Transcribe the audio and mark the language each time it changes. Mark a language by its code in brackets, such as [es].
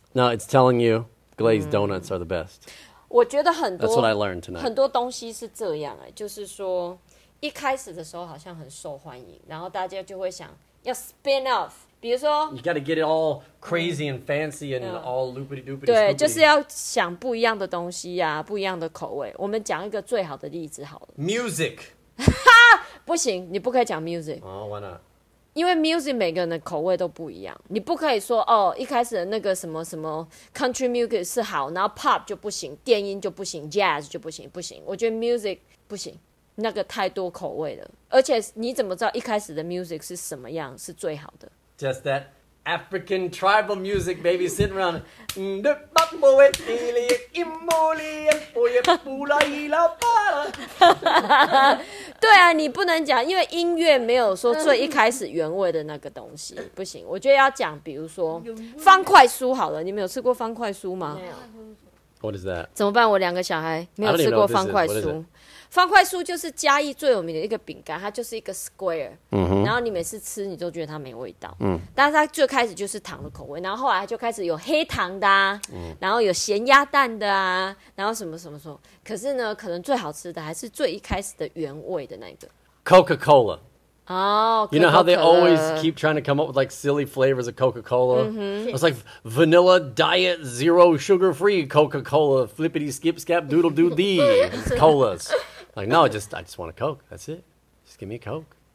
[en] ？No, it's telling you glazed donuts are the best. [zh] 我觉得很多 [en] That's what I learned tonight. [zh] 很多东西是这样哎，就是说一开始的时候好像很受欢迎，然后大家就会想要 spin off。比如说 [en] ，You got to get it all crazy and fancy and all loopity doopity. [zh] 对，就是要想不一样的东西呀、啊，不一样的口味。我们讲一个最好的例子好了。 [en] Music， [zh] 不行，你不可以讲 music。 [en] Oh, why not？ [zh] 因为 music 每个人的口味都不一样，你不可以说哦，一开始的那个什么什么 country music 是好，然后 pop 就不行，电音就不行 ，jazz 就不行，不行。我觉得 music 不行。那个太多口味了，而且你怎么知道一开始的 music 是什么样是最好的 [en] ？Just that African tribal music, baby, sitting around. The bumbo and lily, imoli and boye pula ila pala. [zh] 对啊，你不能讲，因为音乐没有说最一开始原味的那个东西，不行。我觉得要讲，比如说方块酥好了，你们有吃过方块酥吗？没有。 [en] What is that？ [zh] 怎么办？我两个小孩没有吃过方块酥。方块酥就是嘉义最有名的一个饼干，它就是一个 square，、嗯、然后你每次吃你都觉得它没味道、嗯，但是它最开始就是糖的口味，然后后来就开始有黑糖的、啊嗯，然后有咸鸭蛋的啊，然后什么什么什么，可是呢，可能最好吃的还是最一开始的原味的那个 [en] Coca-Cola。 Oh, you know how they always keep trying to come up with like silly flavors of Coca-Cola?、 Mm-hmm. It's like vanilla diet zero sugar free Coca-Cola flippity skip scap doodle doo dee colas. Like, no, I just want a Coke. That's it. Just give me a Coke.